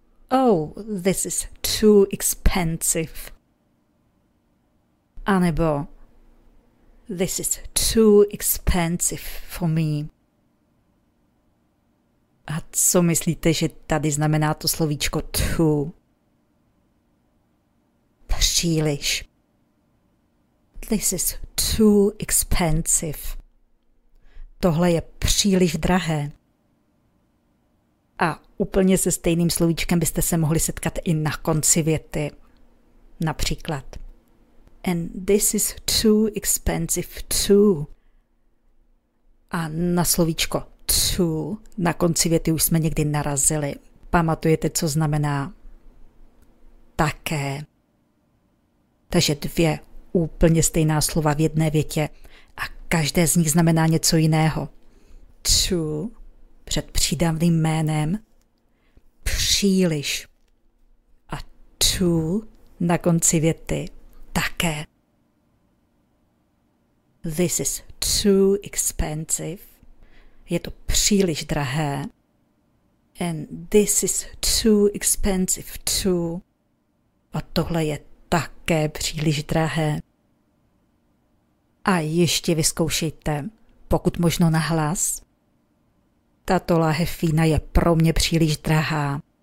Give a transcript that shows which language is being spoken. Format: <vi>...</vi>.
<en>Oh, this is too expensive.</en> <cs>A nebo</cs> <en>this is too expensive for me.</en> <cs>A co myslíte, že tady znamená to slovíčko too?</cs> <en>Příliš. This is too expensive.</en> <cs>Tohle je příliš drahé. A úplně se stejným slovíčkem byste se mohli setkat i na konci věty. Například.</cs> <en>And this is too expensive too.</en> <cs>A na slovíčko too na konci věty už jsme někdy narazili. Pamatujete, co znamená také. Takže dvě úplně stejná slova v jedné větě a každé z nich znamená něco jiného. Too před přídavným jménem, příliš a too na konci věty také.</cs> <en>This is too expensive.</en> <cs>Je to příliš drahé.</cs> <en>And this is too expensive too.</en> <cs>A tohle je také příliš drahé. A ještě vyzkoušejte, pokud možno nahlas. Tato láhev vína je pro mě příliš drahá.</cs>